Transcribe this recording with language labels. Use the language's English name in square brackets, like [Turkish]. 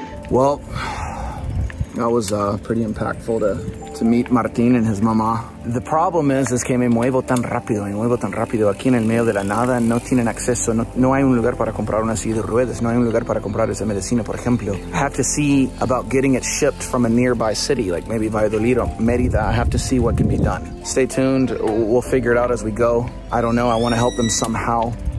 [English] Well, that was pretty impactful to meet Martín and his mamá. The problem is [Spanish] que me muevo tan rápido aquí en el medio de la nada. No tienen acceso, no hay un lugar para comprar una silla de ruedas. No hay un lugar para comprar esa medicina, por ejemplo. [English] I have to see about getting it shipped from a nearby city, like maybe Valladolid or Mérida. I have to see what can be done. Stay tuned, we'll figure it out as we go. I don't know, I want to help them somehow.